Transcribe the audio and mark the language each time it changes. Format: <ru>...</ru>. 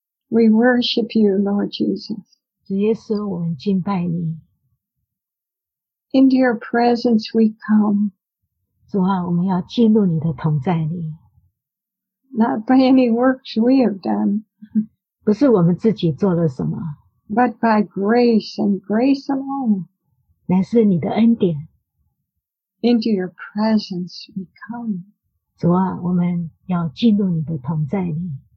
<en>We worship you, Lord Jesus.</en> <zh>主耶稣，我们敬拜你。</zh> <en>Into your presence we come.</en> <zh>主啊，我们要进入你的同在里。</zh> <en>Not by any works we have done.</en> <zh>不是我们自己做了什么。</zh> <en>But by grace and grace alone.</en> <zh>乃是你的恩典。</zh> <en>Into your presence we come.</en> <zh>主啊，我们要进入你的同在里。</zh>